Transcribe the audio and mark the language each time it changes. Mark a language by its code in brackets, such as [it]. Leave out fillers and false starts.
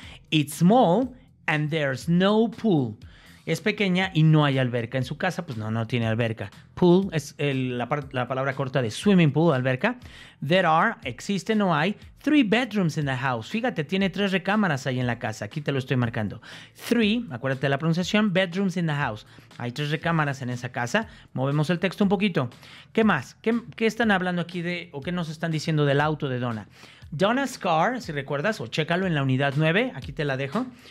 [en] It's small and there's no pool. [es] Es pequeña y no hay alberca. En su casa, pues no tiene alberca. Pool es la palabra corta de swimming pool, alberca. [en] There are, [es] existe, no hay, [en] three bedrooms in the house. [es] Fíjate, tiene tres recámaras ahí en la casa. Aquí te lo estoy marcando. Three, acuérdate de la pronunciación, [en] bedrooms in the house. [es] Hay tres recámaras en esa casa. Movemos el texto un poquito. ¿Qué más? ¿Qué están hablando aquí de o qué nos están diciendo del auto de Donna? Donna's car, si recuerdas, o chécalo en la unidad 9. Aquí te la dejo.